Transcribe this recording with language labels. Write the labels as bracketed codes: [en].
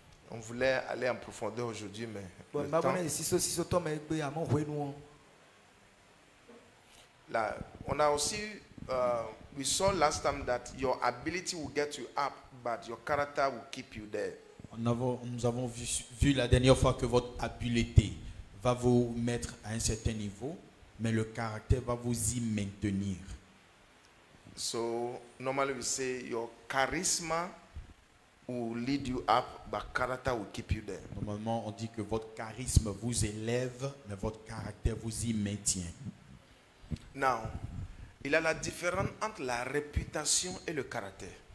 [fr] On voulait aller en profondeur aujourd'hui, mais on a aussi [en] we saw last time that your ability will get you up, but your character will keep you there. [fr] Nous avons vu la dernière fois que votre habileté va vous mettre à un certain niveau, mais le caractère va vous y maintenir. [en] So normally we say your charisma will lead you up, but character will keep you there. [fr] Normalement, on dit que votre charisme vous élève, mais votre caractère vous y maintient. Now, il y a la différence entre la réputation et le caractère.